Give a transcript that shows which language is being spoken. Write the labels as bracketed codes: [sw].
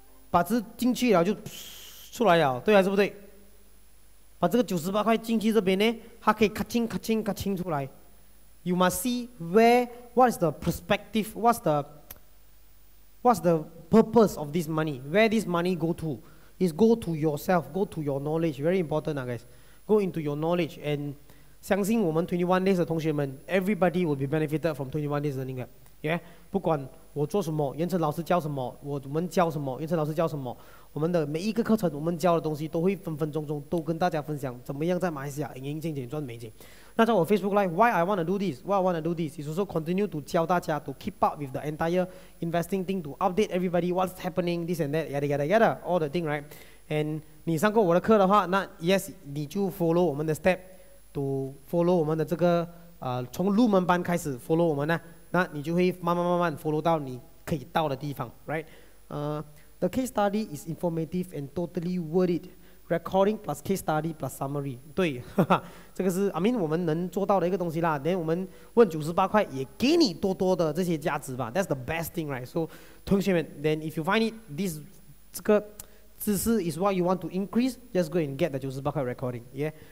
[zh] 把这进去了就出来了，对还是不对？把这个98块进去这边呢，它可以咔清咔清咔清出来。 [en] You must see where what is the perspective, what's the purpose of this money, where this money go to? Is go to yourself, go to your knowledge, very important, guys. Go into your knowledge and. [zh] 相信我们 [en] 21 days [zh] 的同学们 [en] ，everybody will be benefited from 21 days learning. [zh] Yeah， 不管我做什么，严晨老师教什么，我们教什么，严晨老师教什么，我们的每一个课程，我们教的东西都会分分钟钟都跟大家分享，怎么样在马来西亚赢钱钱赚美金。 [en] 那在我 Facebook Live， Why I want to do this is also continue to [zh] 教大家 [en] to keep up with the entire investing thing to update everybody what's happening this and that yada yada yada all the thing right. And [zh] 你上过我的课的话，那 [en] yes， [zh] 你就 follow 我们的 step。 [en] to follow [zh] 我们的这个从入门班开始 follow 我们呢，那你就会慢慢 follow 到你可以到的地方 right？ [en] The case study is informative and totally worth it. Recording plus case study plus summary. [zh] 对，哈哈，这个是 [en] I mean [zh] 我们能做到的一个东西啦。连我们问98块也给你多多的这些价值吧。 [en] That's the best thing, right? So, [zh] 同学们 [en] then if you find it this [zh] 这个知识 [en] is what you want to increase, just go and get the [zh] 98块 [en] recording, yeah.